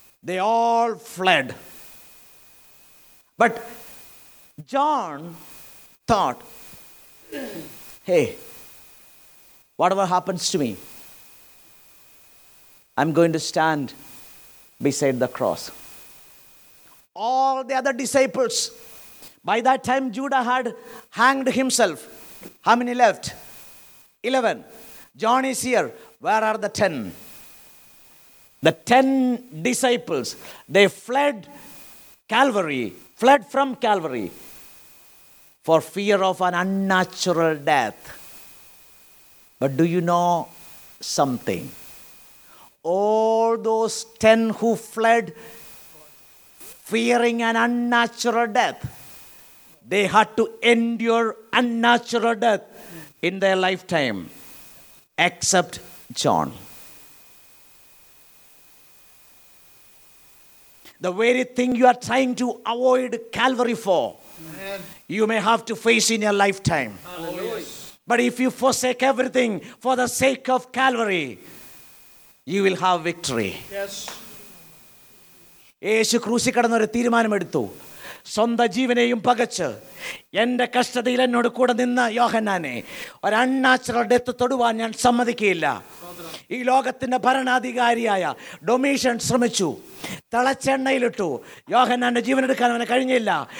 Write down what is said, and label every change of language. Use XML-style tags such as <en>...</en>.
<en>They all fled. But John thought, hey, whatever happens to me, I'm going to stand beside the cross. All the other disciples, by that time Judah had hanged himself. How many left? 11. John is here. Where are the 10? The 10 disciples, they fled Calvary, fled from Calvary for fear of an unnatural death. But do you know something? All those 10 who fled fearing an unnatural death, they had to endure unnatural death in their lifetime, except John. The very thing you are trying to avoid Calvary for, amen, you may have to face in your lifetime. Hallelujah. But if you forsake everything for the sake of Calvary, you will have victory. Yes.</en> <ml>യേശു ക്രൂശി കടന്ന ഒരു തീരുമാനമെടുത്തു, സ്വന്തം ജീവനെയും പകച്ച് എൻ്റെ കഷ്ടതയിൽ എന്നോട് കൂടെ നിന്ന യോഹന്നാനെ ഒരു</ml> <en>അണ്ണാച്ചറ ഡെത്ത്</en> <ml>തൊടുവാൻ ഞാൻ സമ്മതിക്കുകയില്ല. ഈ ലോകത്തിൻ്റെ ഭരണാധികാരിയായ ഡൊമീഷ്യൻ ശ്രമിച്ചു, തിളച്ചെണ്ണയിലിട്ടു, യോഹന്നാൻ്റെ ജീവനെടുക്കാൻ അവനെ കഴിഞ്ഞില്ല.</ml>